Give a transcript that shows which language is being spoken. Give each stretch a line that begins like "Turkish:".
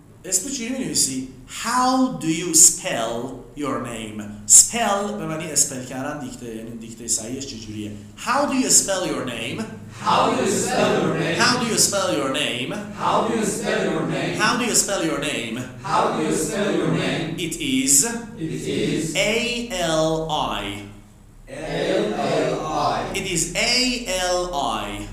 Persian: اسمو چی می‌نویسی؟
English: How do you spell your name?
Persian: Spell به معنی اسپل کردن، دیکته، یعنی دیکته صحیحش چجوریه؟
English: How do you spell your name? How do you spell your name? How do you spell your name? How do you spell your name? How do you spell your name? How do you spell your name? It is. It is. A L I. L L I. It is A L I.